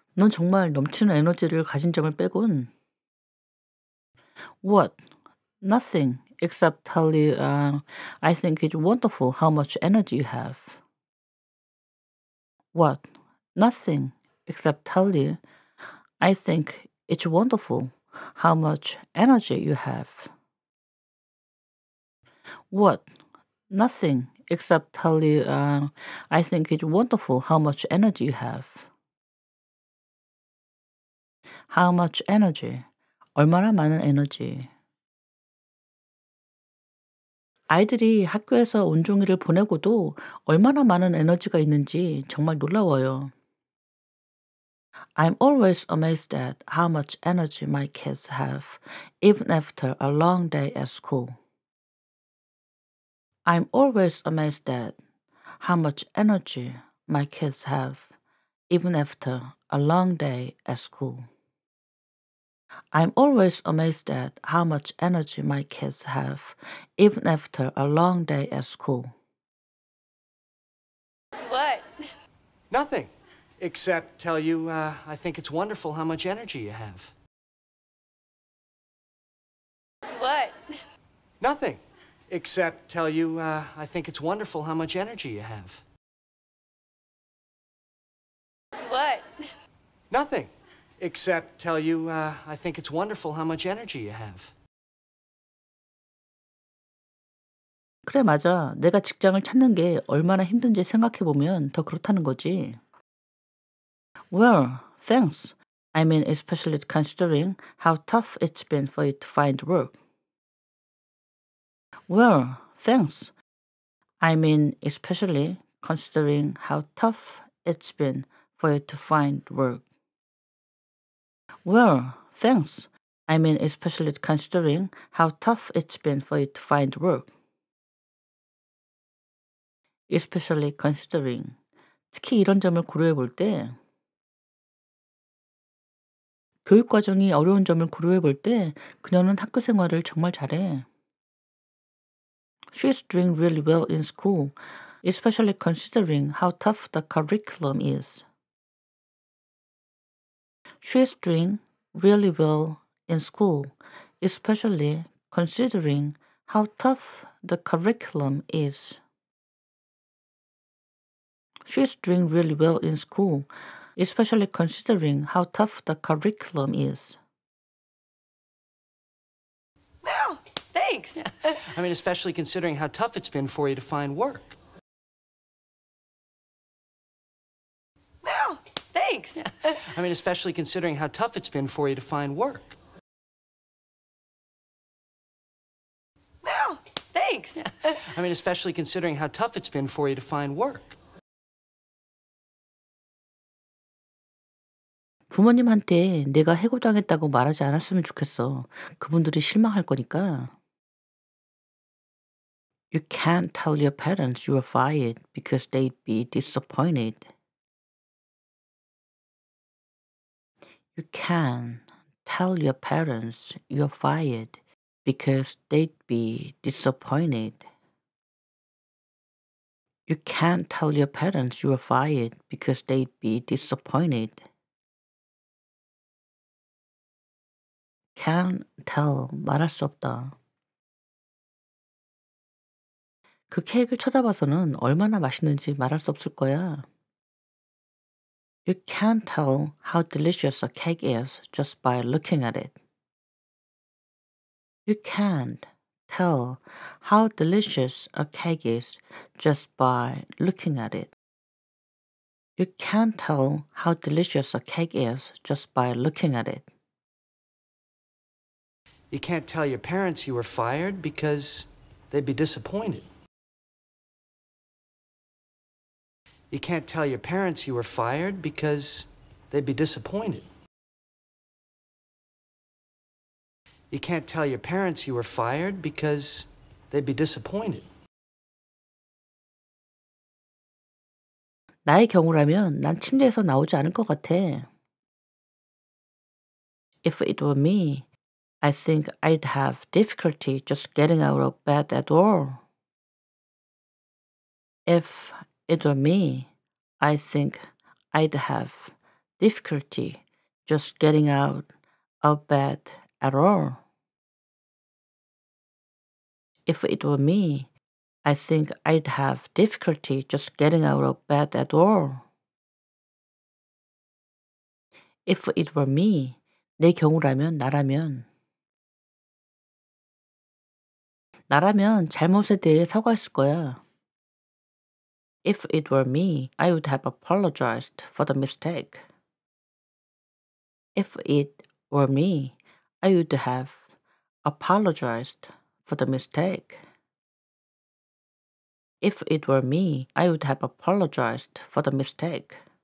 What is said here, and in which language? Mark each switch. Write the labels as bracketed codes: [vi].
[ko] 넌 정말 넘치는 에너지를 가진 점을 빼곤. [en] What? Nothing, except tell you, I think it's wonderful how much energy you have. What? Nothing, except tell you, I think it's wonderful how much energy you have. What? Nothing, except tell you, I think it's wonderful how much energy you have. How much energy? [ko] 얼마나 많은 에너지? 아이들이 학교에서 온종일을 보내고도 얼마나 많은 에너지가 있는지 정말 놀라워요. [en] I'm always amazed at how much energy my kids have, even after a long day at school. I'm always amazed at how much energy my kids have, even after a long day at school. I'm always amazed at how much energy my kids have, even after a long day at school. What? Nothing. Except tell you, I think it's wonderful how much energy you have. What? Nothing. Except tell you, I think it's wonderful how much energy you have. What? Nothing. Except tell you, I think it's wonderful how much energy you have. [ko] 그래, 맞아. 내가 직장을 찾는 게 얼마나 힘든지 생각해 보면 더 그렇다는 거지. [en] Well, thanks. I mean, especially considering how tough it's been for you to find work. Well, thanks. I mean, especially considering how tough it's been for you to find work. Well, thanks. I mean, especially considering how tough it's been for you to find work. Especially considering. [ko] 특히 이런 점을 고려해 볼 때, 교육 과정이 어려운 점을 고려해 볼 때, 그녀는 학교 생활을 정말 잘해. [en] She's doing really well in school, especially considering how tough the curriculum is. She's doing really well in school, especially considering how tough the curriculum is. She's doing really well in school, especially considering how tough the curriculum is. Well, thanks! I mean, especially considering how tough it's been for you to find work. Thanks. I mean, especially considering how tough it's been for you to find work. Well, thanks. I mean, especially considering how tough it's been for you to find work. [ko] 부모님한테 내가 해고당했다고 말하지 않았으면 좋겠어. 그분들이 실망할 거니까. [en] You can't tell your parents you were fired because they'd be disappointed. You can tell your parents you're fired because they'd be disappointed. You can't tell your parents you're fired because they'd be disappointed. Can't tell [ko] 말할 수 없다. 그 케이크를 쳐다봐서는 얼마나 맛있는지 말할 수 없을 거야. [en] You can't tell how delicious a cake is just by looking at it. You can't tell how delicious a cake is just by looking at it. You can't tell how delicious a cake is just by looking at it. You can't tell your parents you were fired because they'd be disappointed. You can't tell your parents you were fired because they'd be disappointed. You can't tell your parents you were fired because they'd be disappointed. [ko] 나의 경우라면 난 침대에서 나오지 않을 것 같아. [en] If it were me, I think I'd have difficulty just getting out of bed at all. If it were me, I think I'd have difficulty just getting out of bed at all. If it were me, I think I'd have difficulty just getting out of bed at all. If it were me, [ko] 내 경우라면 나라면 잘못에 대해 사과했을 거야. [en] If it were me, I would have apologized for the mistake. If it were me, I would have apologized for the mistake. If it were me, I would have apologized for the mistake.